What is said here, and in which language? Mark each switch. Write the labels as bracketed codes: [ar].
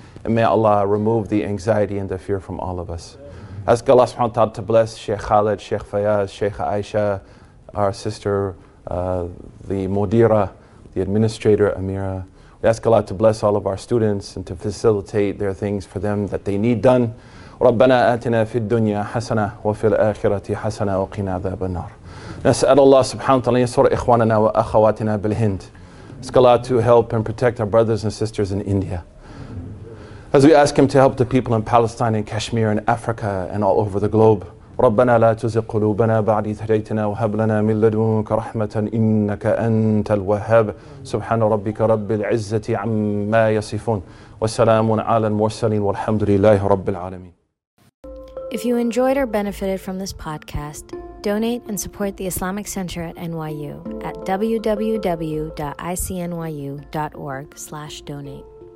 [en] And may Allah remove the anxiety and the fear from all of us. Ask Allah subhanahu wa ta'ala to bless Sheikh Khalid, Sheikh Fayaz, Sheikh Aisha, our sister, the Mudira, the administrator, Amira. We ask Allah to bless all of our students and to facilitate their things for them that they need done. [ar] ربنا آتنا في الدنيا حسنة وفي الآخرة حسنة وقنا عذاب النار. نسأل الله سبحانه وتعالى ينصر إخواننا وأخواتنا بالهند. [en] Ask Allah to help and protect our brothers and sisters in India. As we ask Him to help the people in Palestine and Kashmir and Africa and all over the globe. [ar] ربنا لا تزغ قلوبنا بعد إذ هديتنا وهب لنا من لدنك رحمة إنك أنت الوهاب. سبحان ربك رب العزة عما يصفون. والسلام على المرسلين والحمد لله رب العالمين. [en] If you enjoyed or benefited from this podcast, donate and support the Islamic Center at NYU at www.icnyu.org/donate.